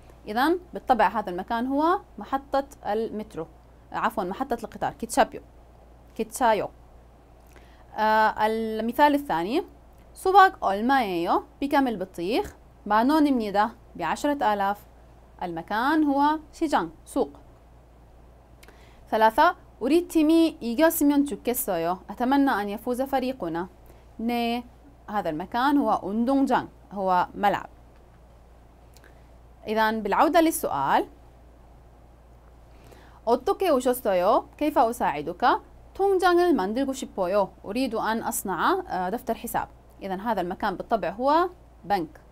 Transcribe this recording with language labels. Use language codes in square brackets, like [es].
[ar] إذن بالطبع هذا المكان هو محطة المترو، عفوا محطة القطار كيتشابيو. كيتشايو. المثال الثاني [ko] 수박 얼마예요? [ar] بكم البطيخ؟ [ko] 만원입니다. [ar] بعشرة آلاف. المكان هو 시장 سوق. ثلاثة [ko] 우리 팀이 이겼으면 좋겠어요. [ar] أتمنى أن يفوز فريقنا. 네. هذا المكان هو 운동장 هو ملعب. إذا بالعودة للسؤال [ko] 어떻게 오셨어요? [ar] كيف أساعدك؟ [ko] 통장을 만들고 싶어요. [ar] أريد أن أصنع دفتر حساب. إذن هذا المكان بالطبع هو بنك.